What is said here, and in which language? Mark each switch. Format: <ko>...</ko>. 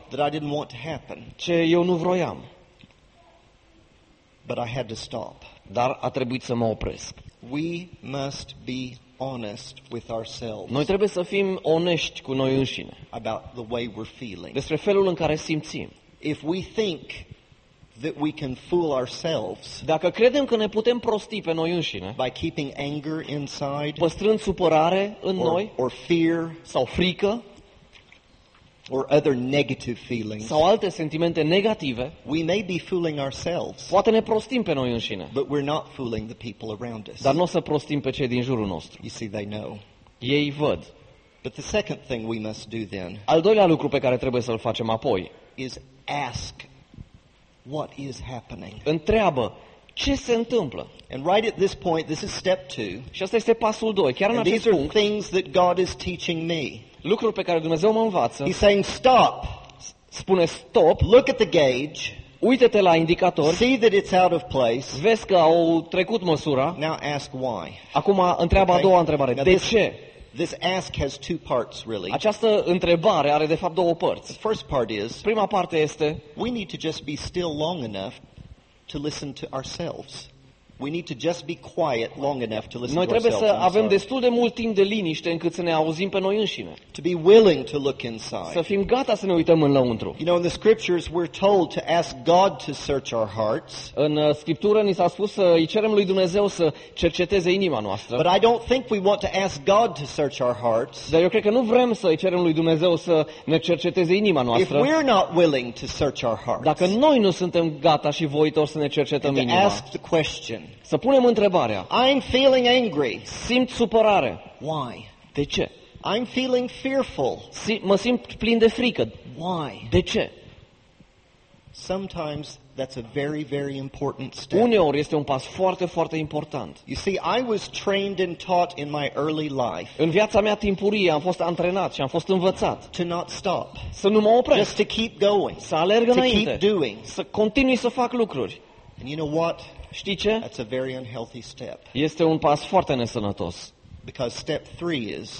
<en>That I didn't want to happen.</en> <ro>Ce eu nu vroiam.</ro> <en>But I had to stop.</en> <ro>Dar a trebuit să mă opresc.</ro> <en>We must be honest with ourselves.</en> <ro>Noi trebuie să fim onești cu noi înșine.</ro> <en>About the way we're feeling.</en> <ro>Despre felul în care simțim.</ro> <en>If we think that we can fool ourselves.</en> <ro>Dacă credem că ne putem prosti pe noi înșine.</ro> <en>By keeping anger inside.</en> <ro>Păstrând supărare în noi.</ro> <en>Or fear.</en> <ro>Sau frică.</ro> <en>Or other negative feelings.</en> <ro>Sau alte sentimente negative.</ro> <en>We may be fooling ourselves.</en> <ro>Poate ne prostim pe noi înșine.</ro> <en>But we're not fooling the people around us.</en> <ro>Dar nu o să prostim pe cei din jurul nostru.</ro> <en>You see, they know.</en> <ro>Ei văd.</ro> <en>But the second thing we must do then.</en> <ro>Al doilea lucru pe care trebuie să-l facem apoi.</ro> <en>Is ask what is happening.</en> <ro>Întreabă ce se întâmplă.</ro> <en>And right at this point, this is step two.</en> <ro>Și asta este pasul doi. Chiar în acest punct.</ro> <en>These are things that God is teaching me.</en> <ro>Lucrul pe care Dumnezeu mă învață.</ro> <en>He's saying stop.</en> <ro>Spune stop.</ro> <en>Look at the gauge.</en> <ro>Uită-te la indicator.</ro> <en>See that it's out of place.</en> <ro>Vezi că au trecut măsura.</ro> <en>Now ask why.</en> <ro>Acum întreabă a doua întrebare.</ro> <en>Now</en> <ro>de</ro> <en>this,</en> <ro>ce?</ro> <en>This ask has two parts really.</en> <ro>Această întrebare are de fapt două părți.</ro> <en>The first part is.</en> <ro>Prima parte este.</ro> <en>We need to just be still long enough to listen to ourselves. We need to just be quiet long enough to listen</en> <ro>noi</ro> <en>to ourselves.</en> <ro>Noi trebuie să avem destul de mult timp de liniște încât să ne auzim pe noi înșine.</ro> <en>To be willing to look inside.</en> <ro>Să fim gata să ne uităm înăuntru.</ro> <en>You know, in the scriptures we're told to ask God to search our hearts.</en> <ro>În scriptură ni s-a spus să îi cerem lui Dumnezeu să cerceteze inima noastră.</ro> <en>But I don't think we want to ask God to search our hearts.</en> <ro>Dar eu cred că nu vrem să îi cerem lui Dumnezeu să ne cerceteze inima noastră.</ro> <en>If we're not willing to search our hearts.</en> <ro>Dacă noi nu suntem gata și voitori să ne cercetăm inima.</ro> <en>Ask the question.</en> <ro>Să punem întrebarea.</ro> <en>I'm feeling angry.</en> <ro>Simt supărare.</ro> <en>Why?</en> <ro>De ce?</ro> <en>I'm feeling fearful.</en> <ro>Mă simt plin de frică.</ro> <en>Why?</en> <ro>De ce?</ro> <en>Sometimes that's a very, very important step.</en> <ro>Uneori este un pas foarte, foarte important.</ro> <en>You see, I was trained and taught in my early life.</en> <ro>În viața mea timpurie am fost antrenat și am fost învățat.</ro> <en>To not stop.</en> <ro>Să nu mă opresc.</ro> <en>Just to keep going.</en> <ro>Să alerg înainte.</ro> <en>To keep doing.</en> <ro>Să continui să fac lucruri.</ro> <en>And you know what?</en> <ro>Știi ce?</ro> <en>That's a very unhealthy step.</en> <ro>Este un pas foarte nesănătos.</ro> <en>Because step three is.</en>